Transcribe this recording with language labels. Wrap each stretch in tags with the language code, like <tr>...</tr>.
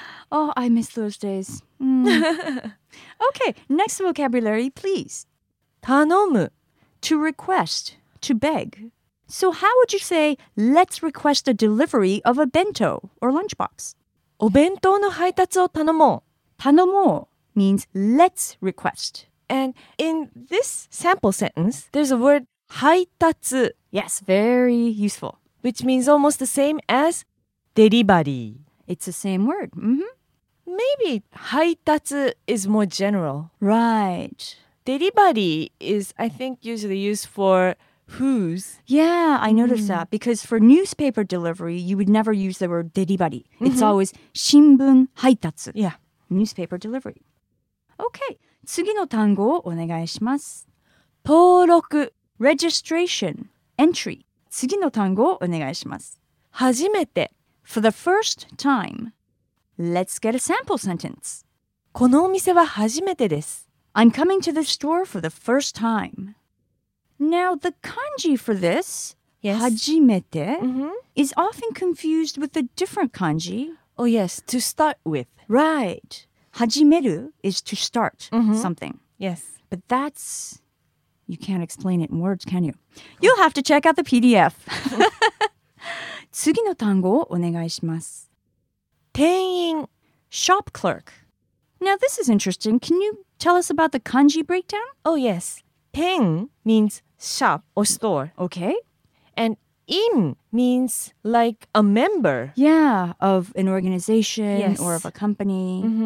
<en>Oh, I miss those days. Okay. Next vocabulary, please.</en> <ja>頼む.</ja> <en>To request, to beg. So how would you say, let's request a delivery of a bento or lunchbox?</en> <ja>お弁当の配達を頼もう。</ja> <en>頼もう means let's request. And in this sample sentence, there's a word 配達. Yes, very useful. Which means almost the same as delivery. It's the same word. Mm-hmm. Maybe 配達 is more general. Right. Delivery is, I think, usually used for whose. Yeah, I noticed that. Because for newspaper delivery, you would never use the word delivery. It's always 新聞配達. Yeah. Newspaper delivery. Okay.</en> <ja>次の単語をお願いします。登録.</ja> <en>Registration. Entry.</en> <ja>次の単語をお願いします。初めて.</ja> <en>For the first time. Let's get a sample sentence.</en> <ja>このお店は初めてです。</ja> <en>I'm coming to the store for the first time. Now, the kanji for this, yes. 初めて, is often confused with a different kanji. Oh, yes, to start with. Right. 始める is to start something. Yes. But that's... You can't explain it in words, can you? You'll have to check out the PDF.</en> <ja>次の単語をお願いします。店員.</ja> <en>Shop clerk. Now, this is interesting. Can you... Tell us about the kanji breakdown? Oh, yes. Ten means shop or store. Okay. And in means like a member. Yeah, of an organization or of a company.</en>